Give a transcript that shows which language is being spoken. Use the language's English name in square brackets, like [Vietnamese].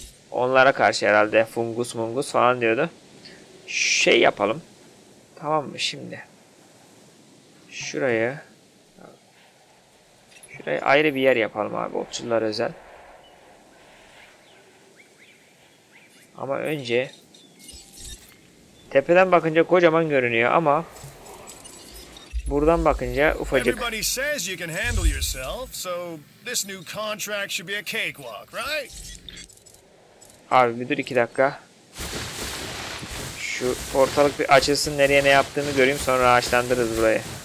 [Turkish] Onlara karşı herhalde. Fungus mungus falan diyordu. Şey yapalım. Tamam mı şimdi? Şurayı. Şurayı ayrı bir yer yapalım abi. Otçullar özel. Ama önce tepeden bakınca kocaman görünüyor ama buradan bakınca ufacık. [English] Everybody says you can handle yourself, so this new contract should be a cakewalk, right? [Turkish] Abi bir dur 2 dakika. Şu ortalık bir açılsın, nereye ne yaptığını göreyim, sonra ağaçlandırırız burayı.